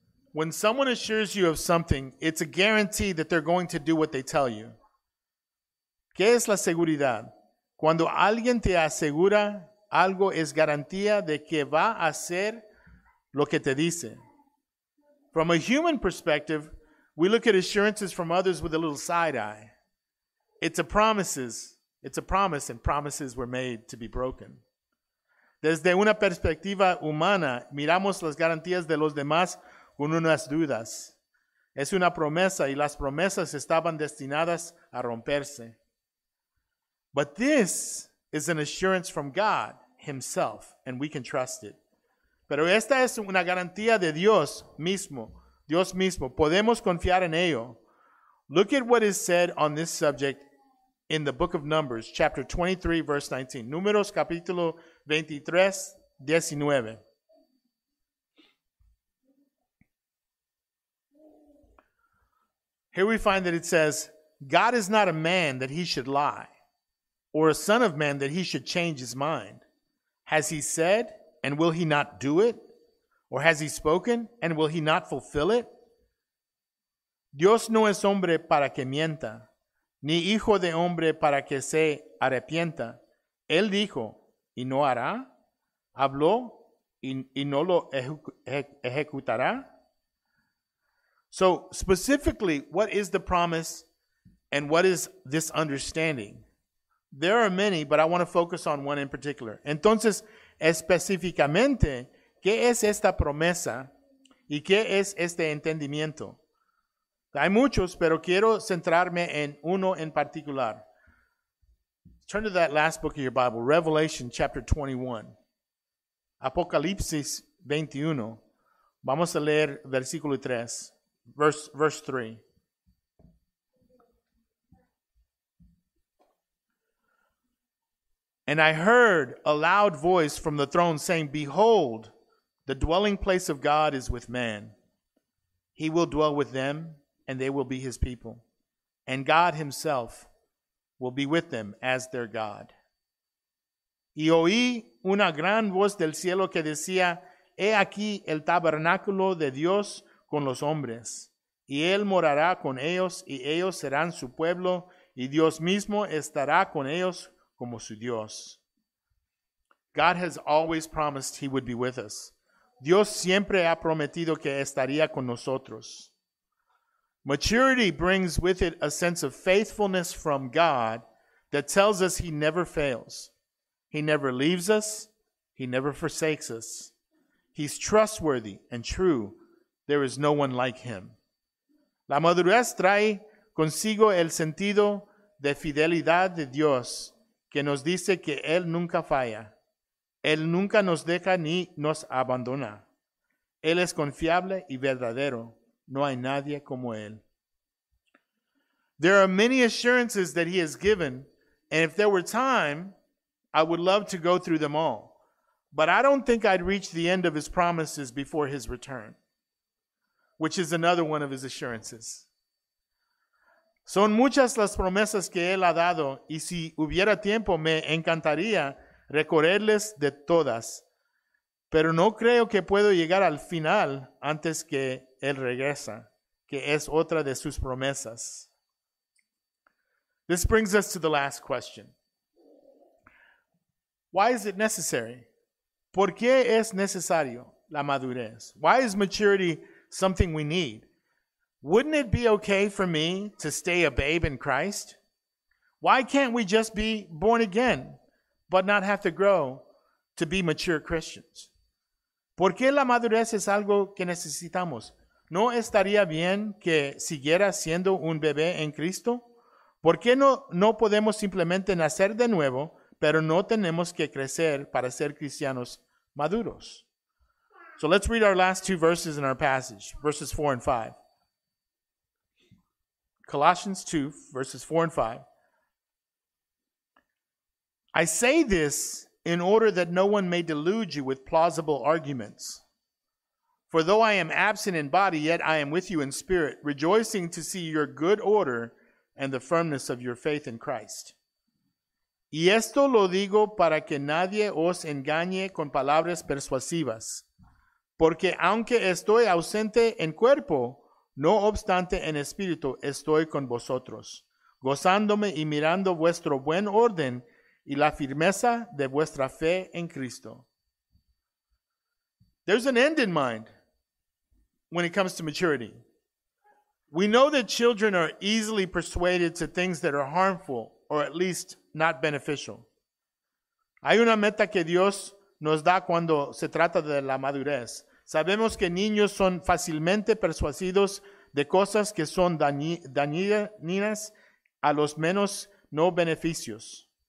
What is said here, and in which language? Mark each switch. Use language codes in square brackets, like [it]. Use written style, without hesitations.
[en] When someone assures you of something, it's a guarantee that they're going to do what they tell you. [es] ¿Qué es la seguridad? Cuando alguien te asegura algo, es garantía de que va a hacer lo que te dice. [en] From a human perspective, we look at assurances from others with a little side eye. It's a promise, and promises were made to be broken. [es] Desde una perspectiva humana, miramos las garantías de los demás con unas dudas. Es una promesa y las promesas estaban destinadas a romperse. [en] But this is an assurance from God himself, and we can trust it. [es] Pero esta es una garantía de Dios mismo. Dios mismo. Podemos confiar en ello. [en] Look at what is said on this subject in the book of Numbers, chapter 23, verse 19. [es] Números, capítulo 23, 19. [en] Here we find that it says, "God is not a man that he should lie, or a son of man that he should change his mind. Has he said, and will he not do it? Or has he spoken, and will he not fulfill it?" [es] Dios no es hombre para que mienta, ni hijo de hombre para que se arrepienta. Él dijo, y no hará, habló, y no lo ejecutará. [en] So specifically, what is the promise and what is this understanding? There are many, but I want to focus on one in particular. [es] Entonces, específicamente, ¿qué es esta promesa y qué es este entendimiento? Hay muchos, pero quiero centrarme en uno en particular. [en] Turn to that last book of your Bible, Revelation chapter 21. [es] Apocalipsis 21. Vamos a leer versículo 3, [en] verse 3. "And I heard a loud voice from the throne saying, 'Behold, The dwelling place of God is with man. He will dwell with them, and they will be his people. And God himself will be with them as their God. [es] Y oí una gran voz del cielo que decía, He aquí el tabernáculo de Dios con los hombres, y él morará con ellos, y ellos serán su pueblo, y Dios mismo estará con ellos como su Dios. [en] God has always promised he would be with us. [es] Dios siempre ha prometido que estaría con nosotros. [en] Maturity brings with it a sense of faithfulness from God that tells us he never fails. He never leaves us. He never forsakes us. He's trustworthy and true. There is no one like him. [es] La madurez trae consigo el sentido de fidelidad de Dios que nos dice que él nunca falla. Él nunca nos deja ni nos abandona. Él es confiable y verdadero. No hay nadie como él. [en] There are many assurances that he has given, and if there were time, I would love to go through them all. But I don't think I'd reach the end of his promises before his return, which is another one of his assurances. [es] Son muchas las promesas que él ha dado, y si hubiera tiempo, me encantaría recorrerles de todas, pero no creo que puedo llegar al final antes que él regresa, que es otra de sus promesas. [en] This brings us to the last question. Why is it necessary? [es] ¿Por qué es necesario la madurez? [en] Why is maturity something we need? Wouldn't it be okay for me to stay a babe in Christ? Why can't we just be born again? But not have to grow to be mature Christians. [es] ¿Por qué la madurez es algo que necesitamos? ¿No estaría bien que siguiera siendo un bebé en Cristo? ¿Por qué no podemos simplemente nacer de nuevo, pero no tenemos que crecer para ser cristianos maduros? [en] So let's read our last two verses in our passage, verses 4 and 5. Colossians 2, verses 4 and 5. I say this in order that no one may delude you with plausible arguments. For though I am absent in body, yet I am with you in spirit, rejoicing to see your good order and the firmness of your faith in Christ. [es] Y esto lo digo para que nadie os engañe con palabras persuasivas. Porque aunque estoy ausente en cuerpo, no obstante en espíritu estoy con vosotros, gozándome y mirando vuestro buen orden y la firmeza de vuestra fe en Cristo. [en] There's an end in mind when it comes to maturity. We know that children are easily persuaded to things that are harmful or at least not beneficial. [es] Hay una meta que Dios nos da cuando se trata de la madurez. Sabemos que niños son fácilmente persuadidos de cosas que son dañinas a los menos no beneficios.